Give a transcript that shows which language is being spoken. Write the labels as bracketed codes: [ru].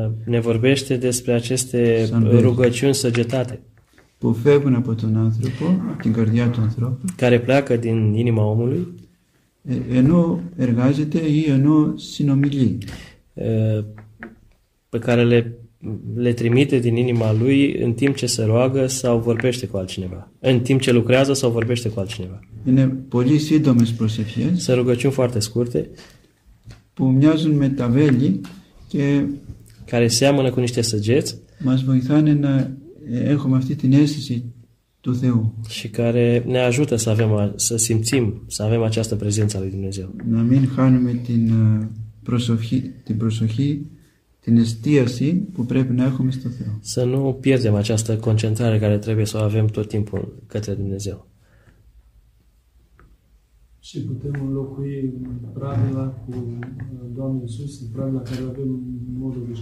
[ro] ne vorbește despre aceste rugăciuni săgetate. [el] Που φεύγουν από τον άνθρωπο, από την καρδιά του ανθρώπου. [ro] Care pleacă din inima omului. [el] Ενώ εργάζεται ή ενώ συνομιλεί. [ro] Pe care le trimite din inima lui în timp ce se roagă sau vorbește cu altcineva. În timp ce lucrează sau vorbește cu altcineva. [el] Είναι πολύ σύντομες προσευχές. [ro] Σε rugăciuni foarte scurte. [el] Που μοιάζουν με τα βέλη και [ro] care seamănă cu niște săgeți. [el] Μας βοηθάνε να έχουμε αυτή την αίσθηση του Θεού. [ro] Și care ne ajută să avem, să simțim, să avem această prezență a lui Dumnezeu. [el] Να μην χάνουμε την προσοχή, την προσοχή, την εστίαση που πρέπει να έχουμε στο Θεό. [ro] Să nu pierdem această concentrare care trebuie să o avem tot timpul către Dumnezeu. Și putem înlocui pravila cu Doamne Iisus, pravila care avem în mod